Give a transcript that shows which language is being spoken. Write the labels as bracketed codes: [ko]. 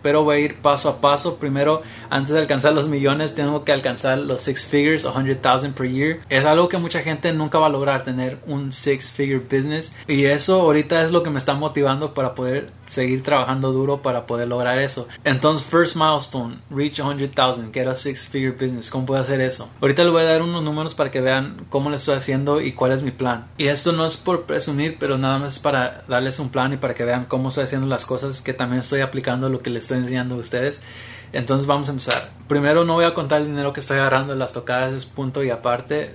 [es] Pero voy a ir paso a paso. Primero, antes de alcanzar los millones, tengo que alcanzar los [en] six figures, 100,000 per year. [es] Es algo que mucha gente nunca va a lograr, tener un [en] six figure business. [es] Y eso ahorita es lo que me está motivando para poder seguir trabajando duro para poder lograr eso. [en] Entonces, first milestone, reach 100,000, get a six figure business. [es] ¿Cómo puedo hacer eso? Ahorita les voy a dar unos números para que vean cómo le estoy haciendo y cuál es mi plan. Y esto no es por presumir, pero nada más es para darles un plan y para que vean cómo estoy haciendo las cosas, que también estoy aplicando lo que les estoy enseñando a ustedes. Entonces vamos a empezar. Primero, no voy a contar el dinero que estoy agarrando en las tocadas, es punto y aparte.